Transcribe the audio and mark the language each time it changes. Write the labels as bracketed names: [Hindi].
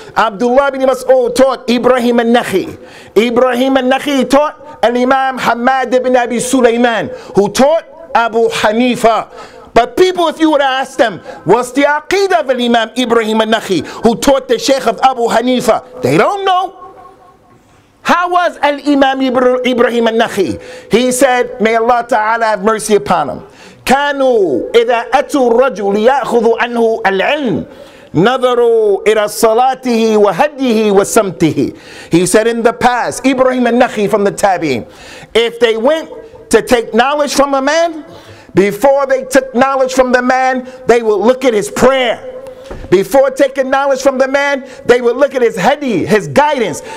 [English] Abdullah ibn Mas'ud taught Ibrahim al-Nakhi'i. Ibrahim al-Nakhi'i taught al-Imam Hamad ibn Abi Sulaiman, who taught Abu Hanifa. But people, if you were to ask them, what's the aqidah of al-Imam Ibrahim al-Nakhi'i, who taught the sheikh of Abu Hanifa? They don't know. How was Al-Imam Ibrahim al-Nakhi? He said, may Allah Ta'ala have mercy upon him. [Arabic] كانوا إذا أتوا الرجل يأخذوا عنه العلم نظروا إلى صلاته وهديه وسمته. [English] He said in the past, Ibrahim al-Nakhi from the Tabi'in, if they went to take knowledge from a man, before they took knowledge from the man, they would look at his prayer. Before taking knowledge from the man, they would look at his hadi, his guidance.